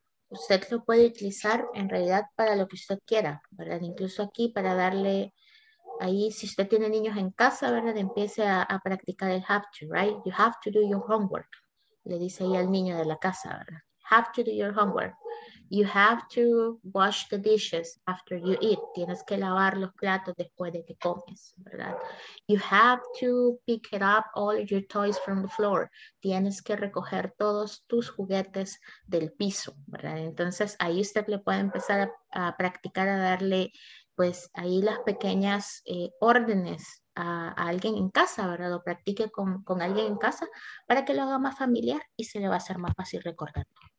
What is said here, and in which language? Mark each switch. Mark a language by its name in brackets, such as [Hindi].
[Spanish] Usted lo puede utilizar en realidad para lo que usted quiera, ¿verdad? Incluso aquí para darle, ahí si usted tiene niños en casa, ¿verdad? [English] Empiece a practicar el have to, right? You have to do your homework. [Spanish] Le dice ahí al niño de la casa, ¿verdad? [English] Have to do your homework. You have to wash the dishes after you eat. [Spanish] Tienes que lavar los platos después de que comes, ¿verdad? [English] You have to pick it up all your toys from the floor. [Spanish] Tienes que recoger todos tus juguetes del piso, ¿verdad? Entonces, ahí usted le puede empezar a practicar a darle, pues, ahí las pequeñas órdenes a alguien en casa, ¿verdad? O practique con alguien en casa para que lo haga más familiar y se le va a hacer más fácil recordarlo.